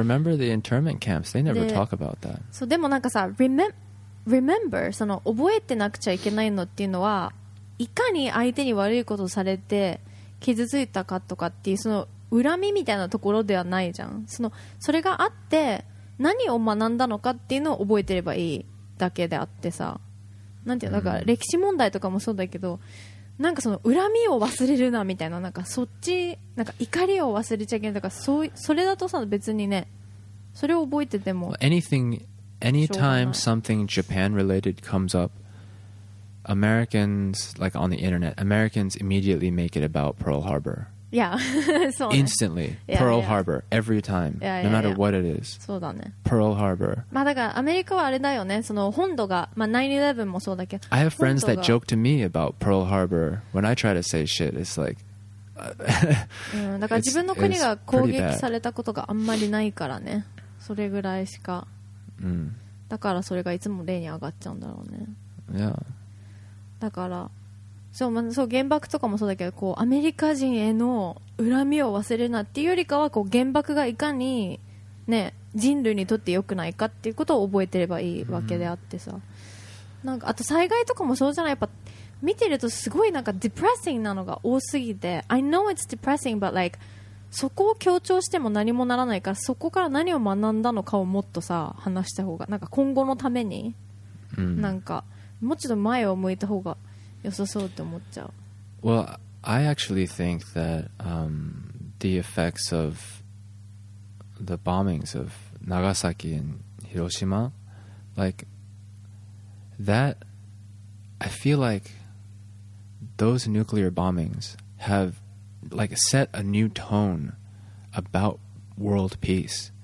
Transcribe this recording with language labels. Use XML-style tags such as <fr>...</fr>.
<en>Remember the internment camps, they never talk about that</en> <ja>そうでもなんかさ Remember その覚えてなくちゃいけないのっていうのはいかに相手に悪いことをされて傷ついたかとかっていうその恨みみたいなところではないじゃん それがあって何を学んだのかっていうのを覚えてればいいだけであってさなんていうのだから歴史問題とかもそうだけどなんかその恨みを忘れるなみたいななんかそっちなんか怒りを忘れちゃいけないとかそれだとさ別にねそれを覚えてても</ja> <en>anything anytime something Japan related comes up Americans like on the internet Americans immediately make it about Pearl Harbor Yeah, so instantly Pearl Harbor every time, no matter what it is.</en> <ja>そうだね。</ja> <en>Pearl Harbor.</en> <ja>まあだからアメリカはあれだよね。その本土が、まあ9/11もそうだけど。</ja> <en>I have friends that joke to me about Pearl Harbor when I try to say shit. It's like,</en> <ja>だから自分の国が攻撃されたことがあんまりないからね。それぐらいしか。だからそれがいつも例に上がっちゃうんだろうね。</ja> <en>Yeah.</en> <ja>だから。そう、まあ、そう原爆とかもそうだけどこうアメリカ人への恨みを忘れるなっていうよりかはこう原爆がいかに、ね、人類にとって良くないかっていうことを覚えてればいいわけであってさ、なんかあと災害とかもそうじゃないやっぱ見てるとすごいなんかデプレッシングなのが多すぎて</ja> <en>I know it's depressing but like</en> <ja>そこを強調しても何もならないからそこから何を学んだのかをもっとさ話した方がなんか今後のためになんかもうちょっと前を向いた方が良さそうって思っちゃう。</ja> <en>Well, I actually think that the effects of the bombings of Nagasaki and Hiroshima, like that, I feel like those nuclear bombings have like set a new tone about world peace.</en>